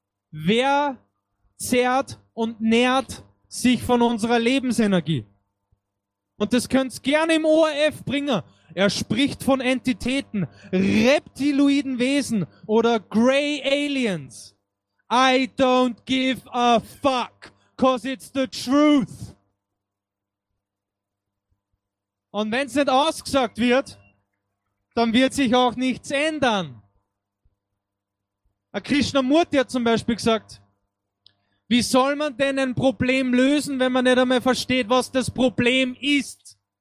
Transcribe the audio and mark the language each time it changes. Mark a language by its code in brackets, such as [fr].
[de] Wer zehrt und nährt sich von unserer Lebensenergie? Und das könnt ihr gerne im ORF bringen. Er spricht von Entitäten, reptiloiden Wesen oder Grey Aliens. [en] I don't give a fuck, 'cause it's the truth. [de] Und wenn es nicht ausgesagt wird, dann wird sich auch nichts ändern. A Krishnamurti hat zum Beispiel gesagt, wie soll man denn ein Problem lösen, wenn man nicht einmal versteht, was das Problem ist?